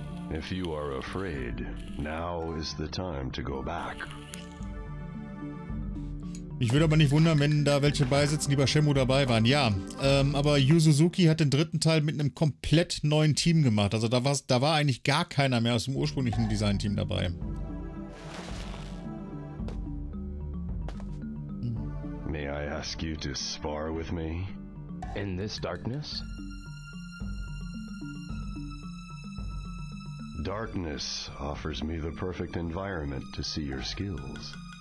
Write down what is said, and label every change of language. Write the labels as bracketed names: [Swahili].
[English] If you are afraid, now is the time to go back. [German] Ich würde aber nicht wundern, wenn da welche beisitzen, die bei Shenmue dabei waren. Ja, aber Yu Suzuki hat den dritten Teil mit einem komplett neuen Team gemacht. Also da war eigentlich gar keiner mehr aus dem ursprünglichen Design-Team dabei. [English] May I ask you to spar with me? In this darkness? Darkness offers me the perfect environment to see your skills.